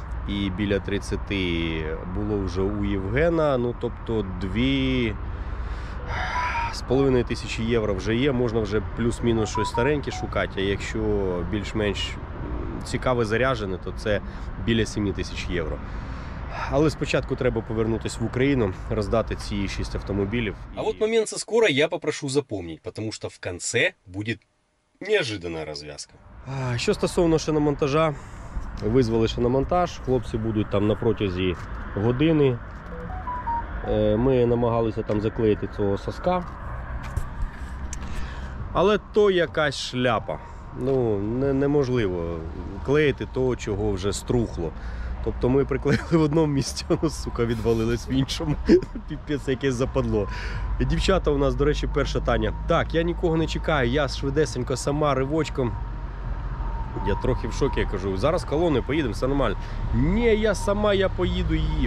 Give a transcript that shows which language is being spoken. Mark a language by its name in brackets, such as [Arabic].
[Ukrainian] І біля 30 було вже у Євгена. Ну, тобто 2,5 тисячі євро вже є. Можна вже плюс-мінус щось стареньке шукати. А якщо більш-менш цікаве заряджене, то це біля 7 тисяч євро. Але спочатку треба повернутись в [Russian] Украину, раздать эти 6 автомобилей. А вот момент со скорой я попрошу запомнить, потому что в конце будет неожиданная развязка. Что касается шиномонтажа, вызвали шиномонтаж, хлопцы будут там [Ukrainian] на протязі години. [Russian] Мы намагалися там заклеить этого соска. [Ukrainian] Але то якась шляпа. Ну, неможливо [Russian] клеить то, чего уже струхло. [Ukrainian] Тобто ми приклеїли в одному місці, а ну, сука, відвалились в іншому. Піпець, якесь западло. Дівчата у нас, до речі, перша Таня. Так, я нікого не чекаю, я швидесенько, сама ривочком. Я трохи в шокі, я кажу, зараз колони, поїдемо, все нормально. Ні, я сама, я поїду її.